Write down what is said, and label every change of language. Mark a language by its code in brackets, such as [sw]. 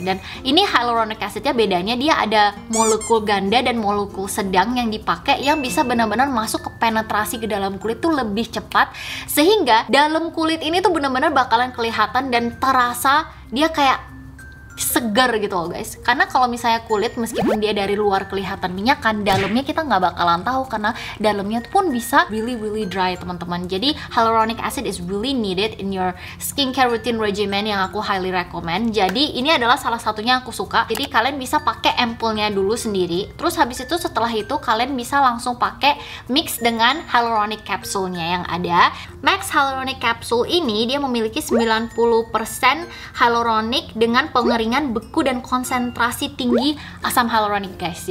[id] Dan ini hyaluronic acidnya bedanya dia ada molekul ganda dan molekul sedang yang dipakai yang bisa benar-benar masuk ke penetrasi ke dalam kulit tuh lebih cepat, sehingga dalam kulit ini tuh benar-benar bakalan kelihatan dan terasa dia kayak segar gitu loh guys. Karena kalau misalnya kulit meskipun dia dari luar kelihatan minyakan, dalamnya kita nggak bakalan tahu karena dalamnya pun bisa [en] really really dry [id] teman-teman. [en] Jadi hyaluronic acid is really needed in your skincare routine regimen [id] yang aku [en] highly recommend. [id] Jadi ini adalah salah satunya aku suka. Jadi kalian bisa pakai ampulnya dulu sendiri, terus habis itu setelah itu kalian bisa langsung pakai mix dengan hyaluronic capsule-nya yang ada. Max Hyaluronic Capsule ini dia memiliki 90% hyaluronic dengan pengeringan beku dan konsentrasi tinggi asam hyaluronic guys.